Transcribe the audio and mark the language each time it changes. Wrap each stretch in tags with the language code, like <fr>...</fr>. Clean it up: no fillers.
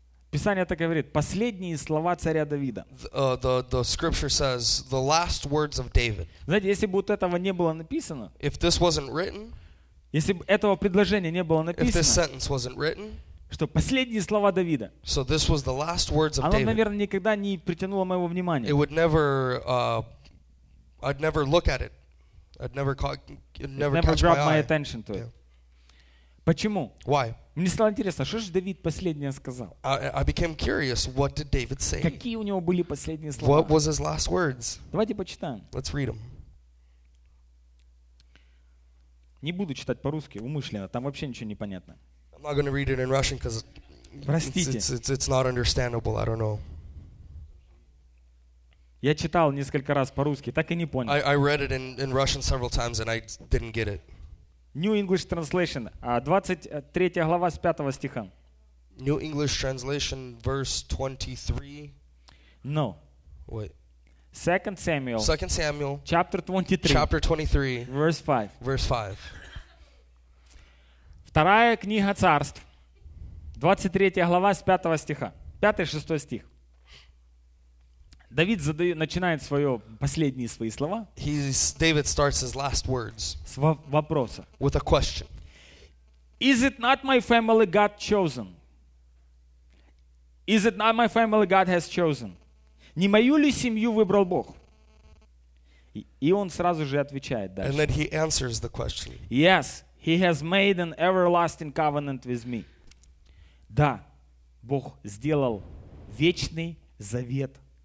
<ru>Писание так говорит, последние слова царя Давида.</ru> <en>The scripture says, the last words of David.</en> <ru>Знаете, если бы вот этого не было написано,</ru> <en>if this wasn't written,</en> <ru>если бы этого предложения не было написано,</ru> <en>if this sentence wasn't written,</en> <ru>что последние слова Давида.</ru> <en>So this was the last words of</en> <ru>оно,</ru> <en>David.</en> <ru>Наверное, никогда не притянуло моего внимания.</ru> <en>It would never, I'd never look at it. I'd never caught, it'd never, never catch grabbed my eye. Attention to it. Yeah.</en> <ru>Почему?</ru> <en>Why?</en> <ru>Мне стало интересно, что же Давид последнее сказал?</ru> <en>I became curious, what did David say?</en> <ru>Какие у него были последние слова?</ru> <en>What was his last words?</en> <ru>Давайте почитаем.</ru> <en>Let's read them.</en> <ru>Не буду читать по-русски, умышленно, там вообще ничего не понятно.</ru> <en>I'm not going to read it in Russian because it's not understandable. I don't know.</en> <ru>Я читал несколько раз по-русски, так и не понял.</ru> <en>I read it in Russian several times and I didn't get it.</en> <ru>New English Translation, 23 глава с 5 стиха.</ru> <en>New English Translation, verse 23. No. What? 2 Samuel. 2 Samuel. Chapter 23. Chapter 23. Verse 5. Verse 5.</en> <ru>Вторая книга царств, 23 глава с 5 стиха. 5-6 стих. Давид задает, начинает свое последние свои слова.</ru> <en>David starts his last words.</en> <ru>С вопроса.</ru> <en>With a question. Is it not my family God chosen? Is it not my family God has chosen?</en> <ru>Не мою ли семью выбрал Бог? И он сразу же отвечает дальше.</ru> <en>And then he answers the question. Yes, he has made an everlasting covenant with me.</en> <ru>Да, Бог сделал вечный завет.</ru>